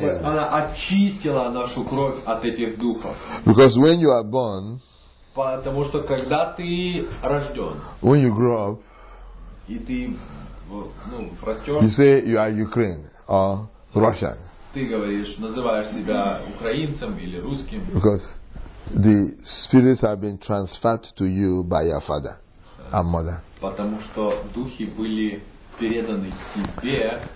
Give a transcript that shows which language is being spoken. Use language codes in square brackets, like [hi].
[ru] Она очистила нашу кровь от этих духов. [en] Because when you are born, [ru] потому что когда ты рожден, [en] when you grow up, [ru] и ты растешь, [en] you say you are Ukraine or Russian. [ru] Ты говоришь, называешь себя украинцем или русским. [en] Because the spirits have been transferred to you by your father and mother. [ru] Потому что духи были переданы тебе.